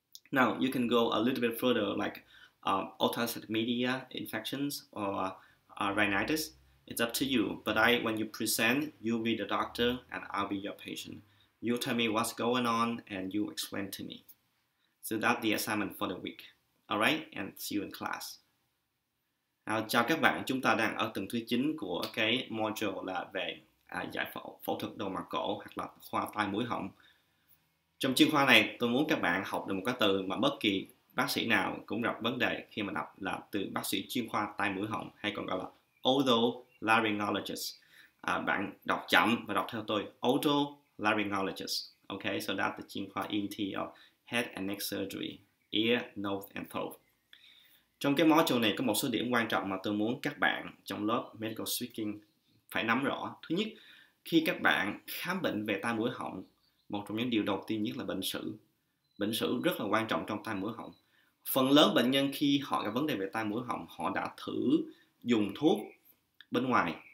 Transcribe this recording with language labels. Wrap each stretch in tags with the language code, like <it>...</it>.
<en>Now, you can go a little bit further, like otitis media infections or rhinitis. It's up to you, but when you present, you'll be the doctor and I'll be your patient. You tell me what's going on and you explain to me. So that's the assignment for the week. All right, and see you in class.</en> <vi>Chào các bạn, chúng ta đang ở tầng thứ 9 của cái module là về giải phẫu phẫu thuật đầu mặt cổ hoặc là khoa tai mũi họng. Trong chuyên khoa này, tôi muốn các bạn học được một cái từ mà bất kỳ bác sĩ nào cũng gặp vấn đề khi mà đọc là từ bác sĩ chuyên khoa tai mũi họng hay còn gọi là Otolaryngologist. Bạn đọc chậm và đọc theo tôi, Otolaryngologist.</vi> <en>Okay, so that's the</en> <vi>chuyên khoa</vi> <en>ENT of head and neck surgery, ear, nose and throat.</en> <vi>Trong cái module này có một số điểm quan trọng mà tôi muốn các bạn trong lớp Medical Speaking phải nắm rõ. Thứ nhất, khi các bạn khám bệnh về tai mũi họng, một trong những điều đầu tiên nhất là bệnh sử. Bệnh sử rất là quan trọng trong tai mũi họng. Phần lớn bệnh nhân khi họ gặp vấn đề về tai mũi họng, họ đã thử dùng thuốc bên ngoài.</vi>